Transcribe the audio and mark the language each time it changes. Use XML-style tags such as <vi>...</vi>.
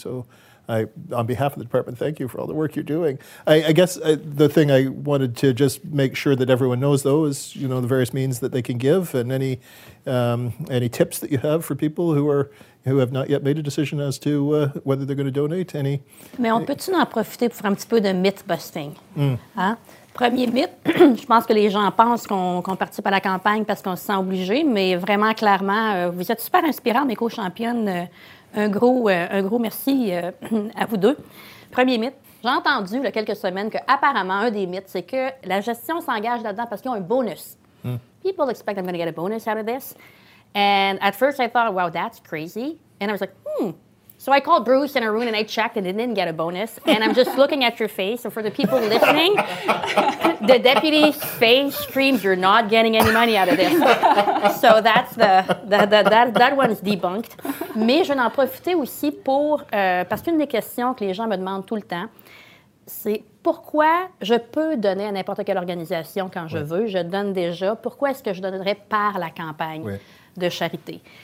<en>So I, on behalf of the department, thank you for all the work you're doing. I guess the thing I wanted to just make sure that everyone knows, though, is, you know, the various means that they can give and any tips that you have for people who have not yet made a decision as to whether they're going to donate any.</en> <fr>Mais on peut-tu en profiter pour un petit peu de</fr> <en>myth busting? Mm.</en> <fr>Hein? Premier mythe, je pense que les gens pensent qu'on participe à la campagne parce qu'on se sent obligé, mais vraiment clairement, vous êtes super inspirants, mes co-championnes. Un gros merci à vous deux. Premier mythe, j'ai entendu il y a quelques semaines qu'apparemment, un des mythes, c'est que la gestion s'engage là-dedans parce qu'ils ont un bonus. Mm.</fr> <en>People expect I'm going to get a bonus out of this. And at first I thought, wow, that's crazy. And I was like, So I called Bruce and Arun and I checked and they didn't get a bonus. And I'm just looking at your face. So for the people listening, the deputy's face screams, you're not getting any money out of this. So that's that one's debunked.</en> <fr>Mais je vais en profiter aussi pour, parce qu'une des questions que les gens me demandent tout le temps, c'est pourquoi je peux donner à n'importe quelle organisation quand je veux, je donne déjà, pourquoi est-ce que je donnerais par la campagne de charité?</fr>